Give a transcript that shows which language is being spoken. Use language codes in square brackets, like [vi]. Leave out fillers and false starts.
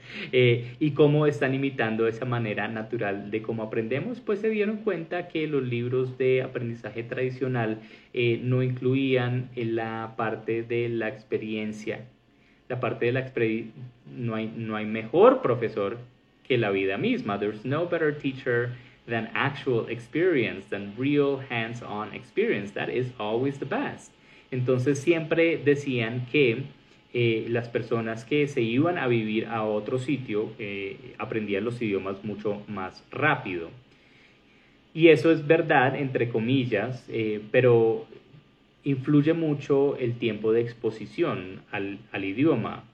[es] ¿Y cómo están imitando esa manera natural de cómo aprendemos? Pues se dieron cuenta que los libros de aprendizaje tradicional no incluían la parte de la experiencia. La parte de la experiencia, no hay mejor profesor que la vida misma. [en] There's no better teacher than actual experience, than real hands-on experience. That is always the best. [es] Entonces siempre decían que las personas que se iban a vivir a otro sitio aprendían los idiomas mucho más rápido. Y eso es verdad, entre comillas, pero influye mucho el tiempo de exposición al idioma.